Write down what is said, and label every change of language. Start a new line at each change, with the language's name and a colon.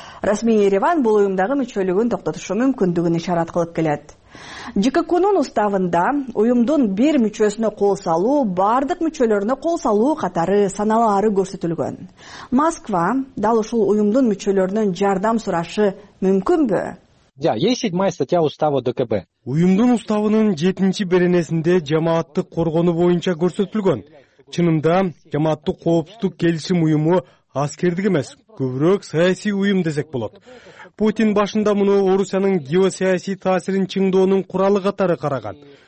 Kyrgyz: Расмий Ереван бул уюмдагы мүчөлүгүн токтотушу мүмкүндүгүн ишарат кылып келет. ЖККУнун уставында уюмдун бир мүчөсүнө кол салуу бардык мүчөлөрүнө кол салуу катары саналары көрсөтүлгөн. Москва дал ушул уюмдун мүчөлөрүнөн жардам сурашы мүмкүнбү?
Russian: Да, есть 7-я статья устава ДКБ.
Kyrgyz: Уюмдун уставынын 7-чи беренесинде жамааттык коргоону боюнча көрсөтүлгөн. Чынында жамааттык коопсуздук келишим уюму аскердик эмес, көбүрөөк саясий уюм десек болот. Путин башында муну Орусиянын геосаясий таасирин чыңдоонун куралы катары караган.